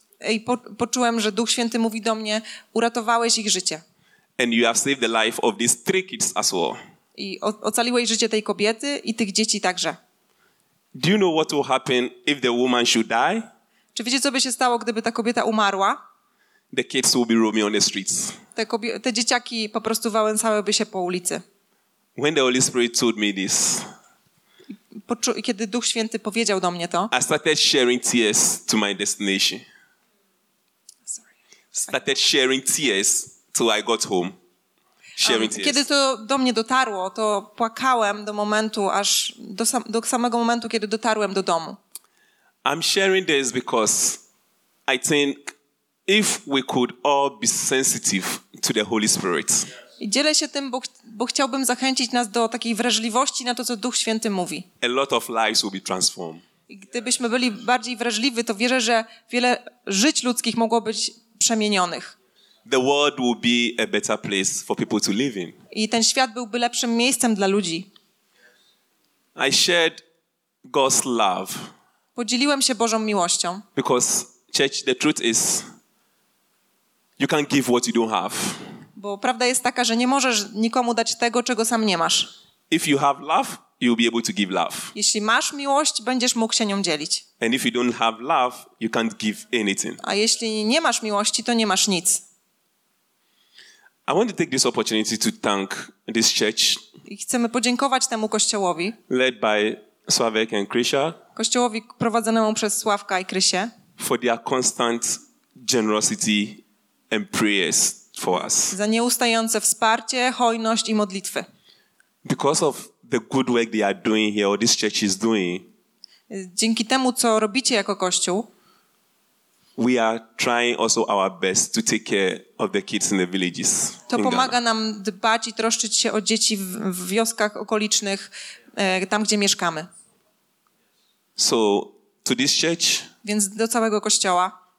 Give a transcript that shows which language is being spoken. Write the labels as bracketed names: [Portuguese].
[Polish] I poczułem, że Duch Święty mówi do mnie, uratowałeś ich życie. [English] And you have saved the life of these three kids as well. [Polish] I ocaliłeś życie tej kobiety i tych dzieci także. [English] Do you know what will happen if the woman should die? [Polish] Czy wiecie, co by się stało, gdyby ta kobieta umarła? [English] The kids will be roaming on the streets. [Polish] Te dzieciaki po prostu wałęsałyby się po ulicy. [English] When the Holy Spirit told me this, [Polish] kiedy Duch Święty powiedział do mnie to, [English] I started sharing tears to my destination. Started sharing tears till I got home. [Polish] Kiedy to do mnie dotarło, to płakałem do momentu, aż do samego momentu, kiedy dotarłem do domu. [English] I'm sharing this because I think If we could all be sensitive to the Holy Spirit. [Polish] I dzielę się tym, bo chciałbym zachęcić nas do takiej wrażliwości na to, co Duch Święty mówi. [English] A lot of lives will be transformed. [Polish] Gdybyśmy byli bardziej wrażliwi, to wierzę, że wiele żyć ludzkich mogło być przemienionych. [English] The world will be a better place for people to live in. [Polish] I ten świat byłby lepszym miejscem dla ludzi. [English] I shared God's love. [Polish] Podzieliłem się Bożą miłością. [English] Because church, the truth is, you can't give what you don't have. [Polish] Bo prawda jest taka, że nie możesz nikomu dać tego, czego sam nie masz. [English] If you have love, you'll be able to give love. [Polish] Jeśli masz miłość, będziesz mógł się nią dzielić. [English] And if you don't have love, you can't give anything. [Polish] A jeśli nie masz miłości, to nie masz nic. [English] I want to take this opportunity to thank this church. [Polish] I chcemy podziękować temu kościołowi. [English] Led by Sławek and Krysia. [Polish] Kościołowi prowadzonemu przez Sławka i Krysię. [English] For their constant generosity and prayers for us. [Polish] Za nieustające wsparcie, hojność i modlitwy. [English] Because of the good work they are doing here, or this church is doing. [Polish] Dzięki temu, co robicie jako kościół. [English] We are trying also our best to take care of the kids in the villages. [Polish] To pomaga nam dbać i troszczyć się o dzieci w wioskach okolicznych, tam gdzie mieszkamy. [English] So to this church. [Polish] Więc do całego kościoła.